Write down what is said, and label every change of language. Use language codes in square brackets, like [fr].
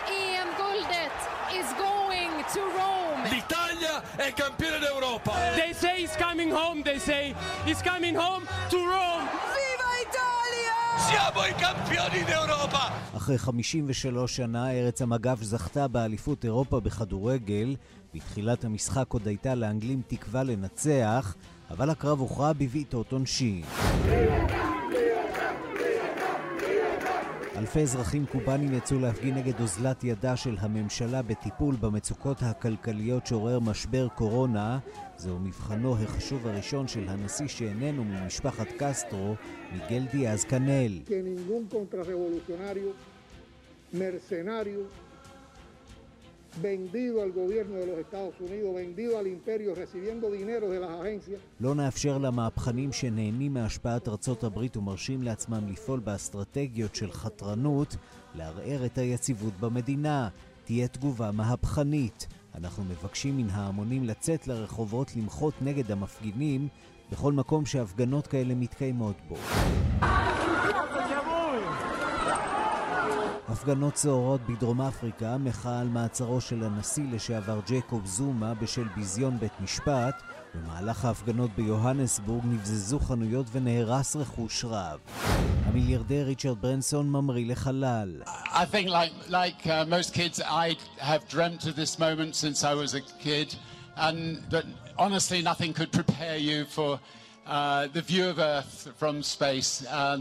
[en] EM-guldet is going to Rome. [it] L'Italia è campione d'Europa. [en] They say he's coming home, they say. He's coming home to Rome. [it] Viva Italia! Siamo i campioni d'Europa! [he] אחרי 53 שנה, ארץ המגף זכתה באליפות אירופה בכדורגל. בתחילת המשחק עוד הייתה לאנגלים תקווה לנצח, אבל הקרב הוכרע בביתות עונשין. אלפי אזרחים קובנים יצאו להפגין נגד אוזלת ידה של הממשלה בטיפול במצוקות הכלכליות שעורר משבר קורונה. זהו מבחנו החשוב הראשון של הנשיא שאיננו ממשפחת קסטרו, מיגל דיאז קנל. [es] כנינגון קונטרה רבולוציונריו, מרסנריו, vendido al gobierno de los Estados Unidos, vendido al imperio, recibiendo dinero de las agencias. [he] לא נאפשר למהפכנים שנהנים מהשפעת ארצות הברית ומרשים לעצמם לפעול באסטרטגיות של חתרנות, לערער את היציבות במדינה. תהיה תגובה מהפכנית. אנחנו מבקשים מן ההמונים לצאת לרחובות למחות נגד המפגינים, בכל מקום שהפגנות כאלה מתקיימות בו. הפגנות צהרות בדרום אפריקה, מחאה על מעצרו של הנשיא לשעבר ג'קוב זומה בשל ביזיון בית משפט. במהלך ההפגנות ביוהנסבורג נבזזו חנויות ונהרס רכוש רב. המיליארדר ריצ'רד ברנסון ממריא לחלל. [en] I think like most kids I have dreamt of this moment since I was a kid, and but honestly nothing could prepare you for the view of earth from space.